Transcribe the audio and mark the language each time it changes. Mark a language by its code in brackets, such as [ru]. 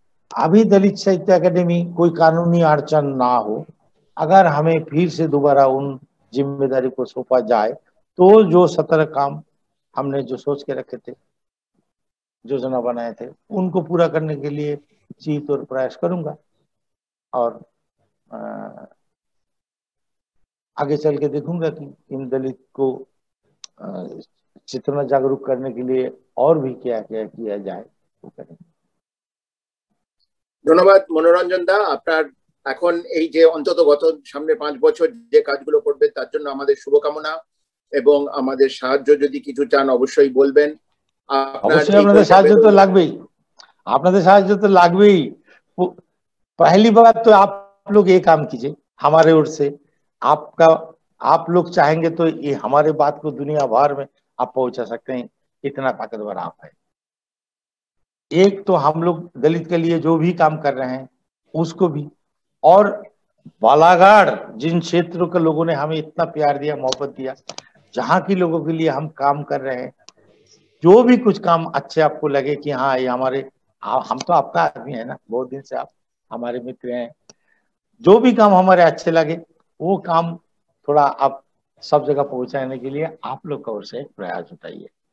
[hi] अभी दलित साहित्य अकेडमी कोई कानूनी अड़चन ना हो, अगर हमें फिर से दोबारा उन जिम्मेदारी को सौंपा जाए तो जो 17 काम हमने जो सोच के रखे थे, योजना बनाए थे, उनको पूरा करने के लिए चीत और प्रयास करूंगा, और आगे चल के देखूंगा कि इन दलित को चेतना जागरूक करने के लिए और भी क्या क्या किया जाए। धन्यवाद मनोरंजन दा, [bn] আপনার এখন এই যে অন্তত গত সামনে 5 বছর যে কাজগুলো করবে তার জন্য আমাদের শুভকামনা, এবং আমাদের সাহায্য যদি কিছু চান অবশ্যই বলবেন। আপনাদের সাহায্য তো লাগবেই, আপনাদের সাহায্য তো লাগবেই। [hi] पहली बात तो आप लोग ये काम कीजिए हमारे ओर से, आपका आप लोग चाहेंगे तो ये हमारे बात को दुनिया भर में आप पहुंचा सकते हैं, इतना ताकतवर आप है। एक तो हम लोग दलित के लिए जो भी काम कर रहे हैं उसको भी, और बालाघाट जिन क्षेत्रों के लोगों ने हमें इतना प्यार दिया, मोहब्बत दिया, जहाँ के लोगों के लिए हम काम कर रहे हैं, जो भी कुछ काम अच्छे आपको लगे कि हाँ ये हमारे हम तो आपका आदमी है ना, बहुत दिन से आप हमारे मित्र हैं, जो भी काम हमारे अच्छे लगे वो काम थोड़ा आप सब जगह पहुंचाने के लिए आप लोग का ओर से प्रयास उठाइए,